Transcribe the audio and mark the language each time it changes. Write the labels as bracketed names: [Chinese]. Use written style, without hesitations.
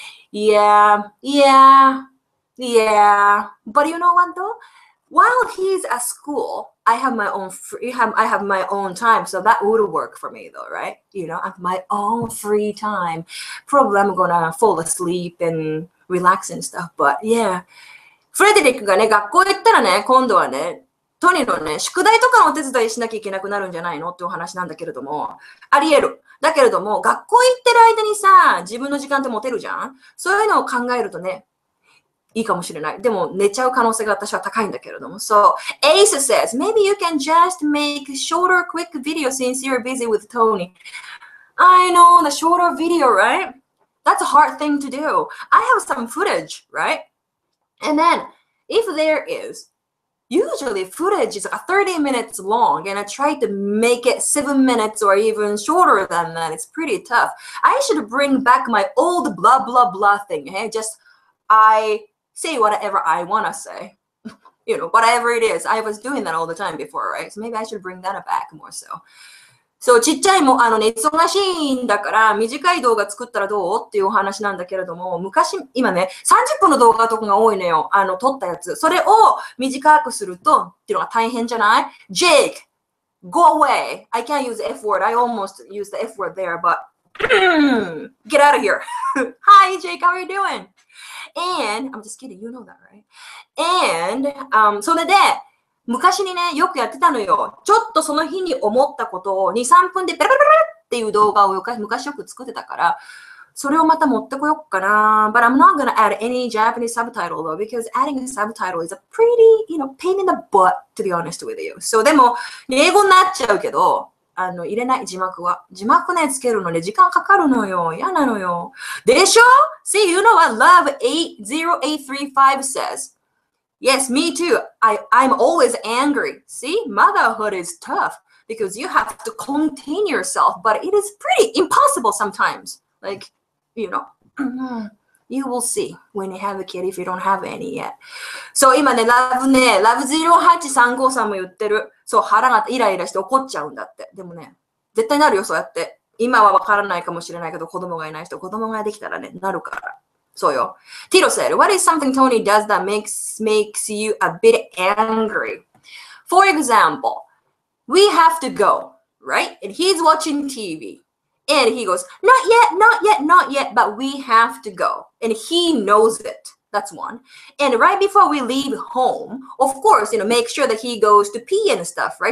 [English] Yeah. But you know what, though? While he's at school, I have my own time, so that would work for me though, right? You know, I have my own free time. Probably I'm gonna fall asleep and relax and stuff, but yeah. [Japanese] フレデリックがね、学校行ったらね、今度はね、トニーのね、宿題とかのお手伝いしなきゃいけなくなるんじゃないのってお話なんだけれども、あり得る。だけれども、学校行ってる間にさ、自分の時間って持てるじゃん? そういうのを考えるとね、いいかもしれない。でも寝ちゃう可能性が私は高いんだけれども。 [English] So, Ace says, maybe you can just make shorter quick video since you're busy with Tony. I know, the shorter video, right? That's a hard thing to do. I have some footage, right? And then, if there is, usually footage is like 30 minutes long and I try to make it 7 minutes or even shorter than that. It's pretty tough. I should bring back my old blah, blah, blah thing. Hey, just, I say whatever I want to say, you know, whatever it is. I was doing that all the time before, right? So maybe I should bring that back more so. [Japanese] So, ちっちゃいも、あのね、忙しいんだから、短い動画作ったらどうっていうお話なんだけれども、昔、今ね、30分の動画とかが多いのよ。撮ったやつ。それを短くすると、っていうのが大変じゃない [English] ?Jake, go away. I can't use the F word. I almost used the F word there, but Get out of here. Hi, Jake. How are you doing? And I'm just kidding. You know that, right? [Japanese] And それで昔にねよくやってたのよ。ちょっとその日に思ったことを 2,3 分でペラペラペラっていう動画を昔よく作ってたから、それをまた持ってこようかな。 [English] But I'm not gonna add any Japanese subtitle though, because adding a subtitle is a pretty, you know, pain in the butt, to be honest with you. [Japanese] So でも英語になっちゃうけど、あの入れない字幕は、字幕ねつけるのね時間かかるのよ、嫌なのよ。でしょ [English] ？See, you know what Love 80835 says? Yes, me too. I'm always angry. See, motherhood is tough because you have to contain yourself, but it is pretty impossible sometimes. Like, you know, you will see when you have a kid if you don't have any yet. [Japanese] So, 今ね、Love ね、Love 08353も言ってる。そう、腹がイライラして怒っちゃうんだって。でもね、絶対なるよ、そうやって。今はわからないかもしれないけど、子供がいない人、子供ができたらね、なるから。そうよ。 [English] Tito said, What is something Tony does that makes you a bit angry? For example, we have to go, right? And he's watching TV. And he goes, not yet, not yet, not yet, but we have to go. And he knows it. That's one. And right before we leave home, of course, you know, make sure that he goes to pee and stuff, right?